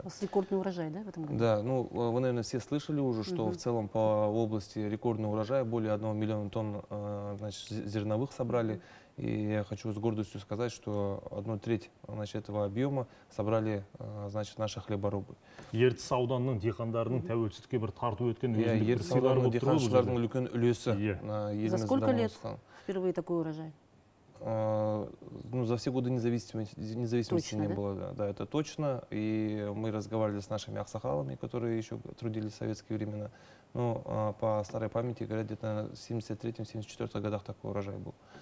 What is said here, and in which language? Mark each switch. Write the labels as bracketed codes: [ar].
[ru] У вас рекордный урожай, да, в этом году? Да, ну, вы, наверное, все слышали уже, что в целом по области рекордный урожай, более 1 миллиона тонн значит, зерновых собрали, И я хочу с гордостью сказать, что 1/3 значит, этого объема собрали значит, наши хлеборубы. [kk] Ертіс ауданының дихандарының тәуелсіздікке бір тарту өткен өзіндік бір сыйлары болып тұрғызды. Ертіс ауданының дихандарының үлкен үлесі. [ru] За сколько лет впервые такой урожай? Ну, за все годы независимости точно, не да? было. Да, да, это точно. И мы разговаривали с нашими ахсахалами, которые еще трудились в советские времена. Ну, по старой памяти, говорят, где-то в 73-74 годах такой урожай был.